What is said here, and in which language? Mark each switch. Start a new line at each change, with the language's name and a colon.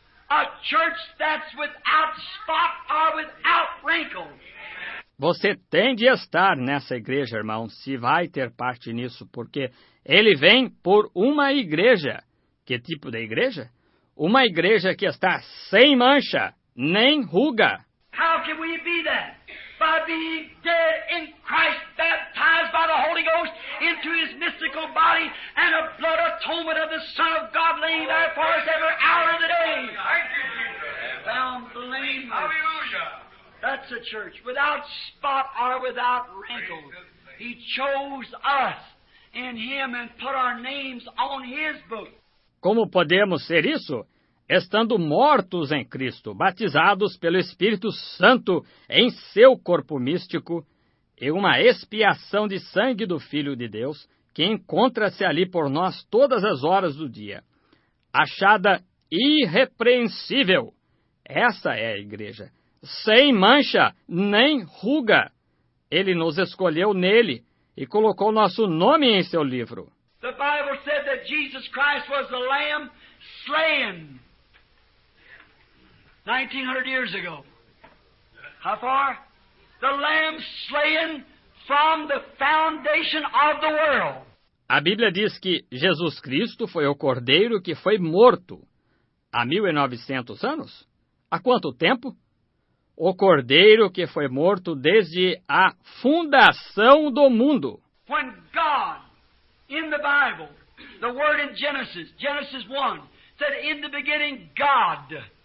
English: A church that's without spot or without wrinkle.
Portuguese: Você tem de estar nessa igreja, irmão, se vai ter parte nisso, porque ele vem por uma igreja. Que tipo de igreja? Uma igreja que está sem mancha, nem ruga.
English: How can we be that? By being dead in Christ, baptized by the Holy Ghost into his mystical body, and a blood atonement of the Son of God laying there for us every hour of the day. Thank you, Jesus. Found blameless. Hallelujah. That's a church without spot or without wrinkle. He chose us in Him and put our names on His book.
Portuguese: Como podemos ser isso? Estando mortos em Cristo, batizados pelo Espírito Santo em seu corpo místico, e uma expiação de sangue do Filho de Deus, que encontra-se ali por nós todas as horas do dia, achada irrepreensível. Essa é a igreja. Sem mancha, nem ruga. Ele nos escolheu nele e colocou nosso nome em seu livro.
English: The Bible said that Jesus Christ was the Lamb slain 1900 years ago. How far? The Lamb slain from the foundation of the world.
Portuguese: A Bíblia diz que Jesus Cristo foi o Cordeiro que foi morto há 1900 anos? Há quanto tempo? O Cordeiro que foi morto desde a fundação do mundo.
English: When God, in the Bible, the word in Genesis, Genesis 1, said in the beginning, God.